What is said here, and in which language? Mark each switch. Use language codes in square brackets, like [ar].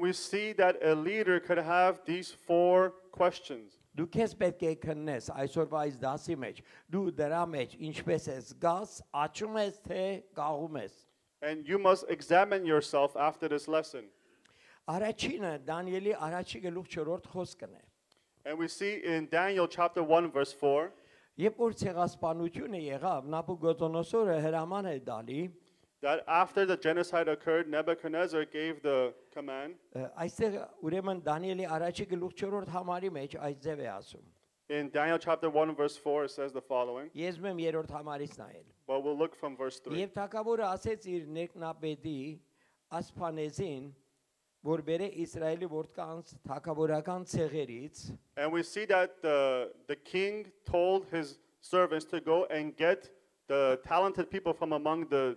[en] we see that a leader could have these four questions. [hy] Դու քեզ պետք է քննես այսօրվա այս դասի մեջ, դու դրա մեջ ինչպես ես զգաս, աճում ես թե կաղում ես. [en] And you must examine yourself after this lesson. [hy] Առաջինը Դանիելի առաջի գլուխ 4-րդ խոսքն է. [en] And we see in Daniel chapter 1 verse 4. [hy] Երբ որ ցեղասպանությունը եղավ, Նաբուկոդոնոսորը հրաման է դալի. [en] That after the genocide occurred, Nebuchadnezzar gave the command. [hy] Այստեղ ուրեմն Դանիելի առաջի գլուխ 4-րդ համարի մեջ այս ձև է ասում. [en] In Daniel chapter 1 verse 4 it says the following. [hy] Ես մեմ 3-րդ համարից նայել. [en] But we'll look from verse 3. [hy] Եվ թագավորը ասեց իր ներկնապետի Ասփանեզին, որ բերե Իսրայելի որդկանց թագավորական ցեղերից. [en] And we see that the king told his servants to go and get the talented people from among the